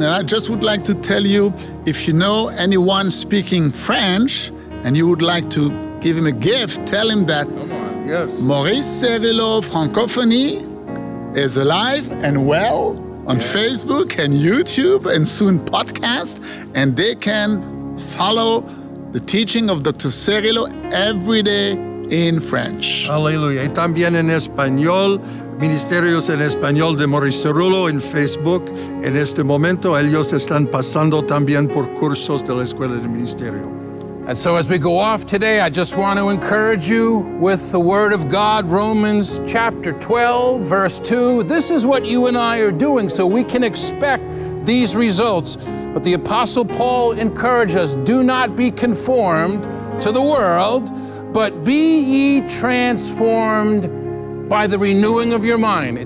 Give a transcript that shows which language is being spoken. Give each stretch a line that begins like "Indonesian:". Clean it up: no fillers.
English: And I just would like to tell you, if you know anyone speaking French and you would like to give him a gift, tell him that. Come on. Yes. Maurice Cervelo Francophonie is alive and well on yes. Facebook and YouTube and soon podcast, and they can follow the teaching of Dr. Cervelo every day in French.
Spanish: Hallelujah. Y también en español, Ministerios en Español de Maurice Cervelo en Facebook. En este momento ellos están pasando también por cursos de la Escuela de Ministerio.
English: And so as we go off today, I just want to encourage you with the Word of God, Romans chapter 12, verse 2. This is what you and I are doing, so we can expect these results. But the Apostle Paul encouraged us, do not be conformed to the world, but be ye transformed by the renewing of your mind.